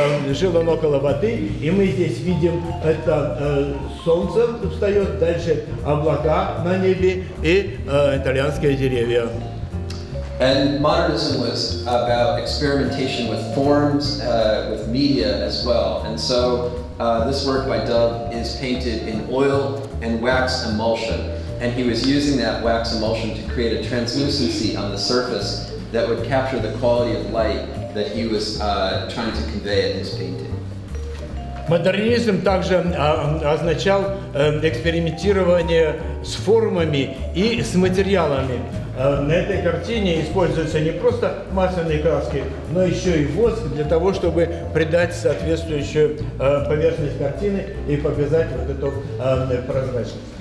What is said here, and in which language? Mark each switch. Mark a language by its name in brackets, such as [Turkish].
[Russian] Жил он около воды, и мы здесь видим, это солнце встает, дальше облака на небе и итальянские деревья. [English] And modernism was about experimentation with forms, with media as well. And so this work by Dove is painted in oil and wax emulsion. And he was using that wax emulsion to create a translucency on the surface that would capture the quality of light that he was trying to convey in his painting. [Russian] Модернизм также означал экспериментирование с формами и с материалами. На этой картине используются не просто масляные краски, но еще и воск для того, чтобы придать соответствующую поверхность картины и показать вот эту прозрачность.